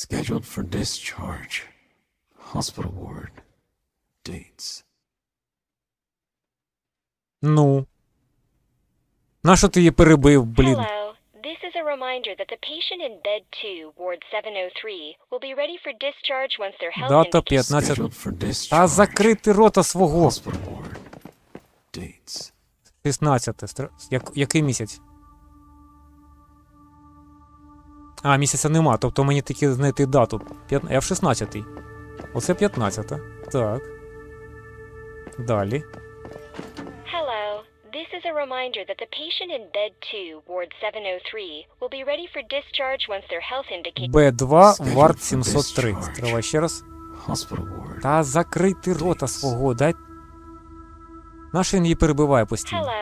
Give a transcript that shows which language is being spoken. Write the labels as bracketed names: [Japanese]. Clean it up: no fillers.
[English] Scheduled for discharge. Hospital ward. Dates. [Ukrainian] Ну. Нащо ти її перебив, блін? [English] Hello. This is a reminder that the patient in bed 2, ward 703, will be ready for discharge once their health indicates. [Ukrainian] Дата 15. А закрити рота свого. [English] Hospital ward. Dates. [Ukrainian] 16-те. Який місяць? А, місяця нема, тобто мені тільки знайти дату. Я в 16-й. Оце 15-та. Так. Далі. [English] Hello. This is a reminder that the patient in bed 2, ward 703, will be ready for discharge once their health indicates. [Ukrainian] Б2, ward 703. Тривай ще раз. [English] Hospital ward. [Ukrainian] Та закрити рота свого, дай. Наш він її перебиває постійно.